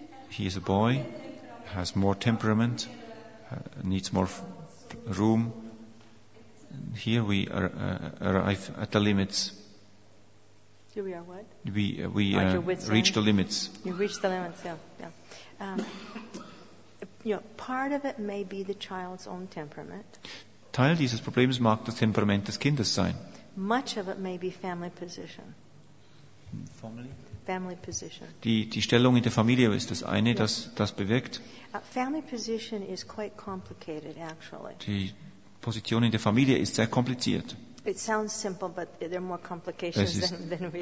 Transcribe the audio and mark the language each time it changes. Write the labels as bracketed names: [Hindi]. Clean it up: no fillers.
[English] He is a boy, has more temperament, needs more room. Here we arrive at the limits. Here we are what? We reach the limits. You reach the limits, yeah. Part of it may be the child's own temperament. [German] Teil dieses Problems mag das Temperament des Kindes sein. [English] Much of it may be family position. Family position. [German] Die Stellung in der Familie ist das eine, yes. das bewirkt. [English] Family position is quite complicated, actually. [German] Die Position in der Familie ist sehr kompliziert. [English] It sounds simple, but there are more complications than we